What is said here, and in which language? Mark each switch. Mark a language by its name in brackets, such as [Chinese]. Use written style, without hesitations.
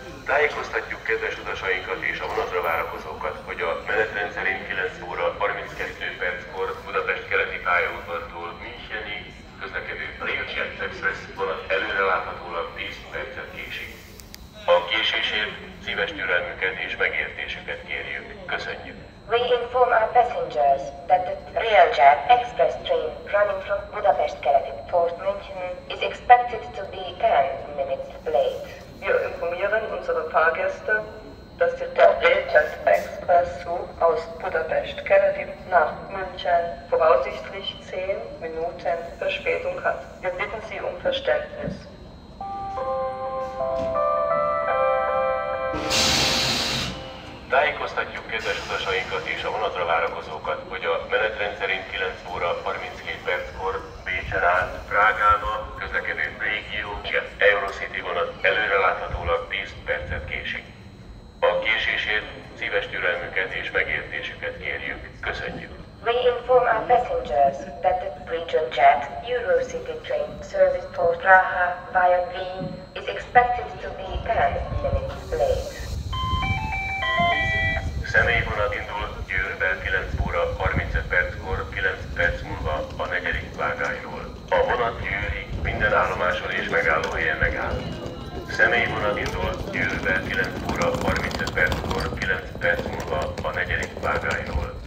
[Hungarian] Tájékoztatjuk kedves utasainkat és a vonatra várakozókat, hogy a menetrend szerint 9 óra 32 perckor Budapest keleti pályaudvartól Müncheni közlekedő Railjet Express vonat előreláthatólag 10 percet késik. A késésért szíves türelmüket és megértésüket kérjük. Köszönjük! [English] We inform our passengers that the Railjet Express train running from Budapest keleti Port München is expected to be 10 minutes late. [German] Wir informieren unsere Fahrgäste, dass der Railjet Express Zug aus Budapest keleti nach München voraussichtlich 10 Minuten Verspätung hat. Wir bitten Sie um Verständnis. [Hungarian] Tájékoztatjuk kedves utasainkat és a vonatra várakozókat, hogy a menetrend szerint 9 óra 32 perckor Bécsen át Prágába közlekedő RegioJet Eurocity vonat előreláthatólag 10 percet késik. A késésért szíves türelmüket és megértésüket kérjük. Köszönjük! [English] We inform our passengers that the RegioJet Eurocity train service for Praha via Wien is expected to be 10 minutes late. [Hungarian] Személyvonat indul Győrbe 9 óra 35 perckor 9 perc múlva a negyedik vágányról. A vonat Győri minden állomáson és megállóhelyen megáll. Személyvonat indul Győrbe 9 óra 35 perckor 9 perc múlva a negyedik vágányról.